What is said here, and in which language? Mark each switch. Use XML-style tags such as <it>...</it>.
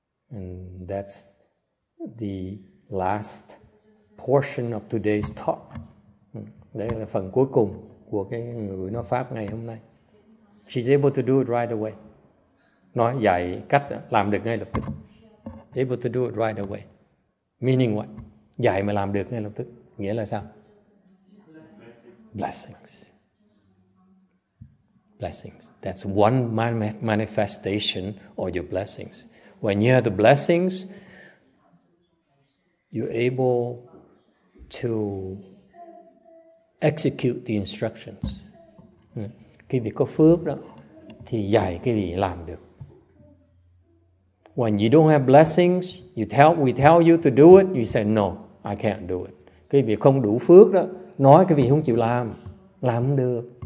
<en>And that's the last portion of today's talk.</en> <vi>Đây là phần cuối cùng của cái người nói pháp ngày hôm nay.</vi> <en>She's able to do it right away.</en> <vi>Nói dạy cách làm được ngay lập tức.</vi> <en>Able to do it right away. Meaning what?</en> <vi>Dạy mà làm được ngay lập tức. Nghĩa là sao? Blessings.</vi> <en>Blessings. That's one manifestation of your blessings. When you have the blessings, you're able to execute the instructions.</en> <vi>Khi vị có phước đó, thì dạy cái vị làm được.</vi> <en>When you don't have blessings, we tell you to do it, you say, no, I can't do it.</en> <vi>Khi vị không đủ phước đó, nói cái vị không chịu làm không được.</vi>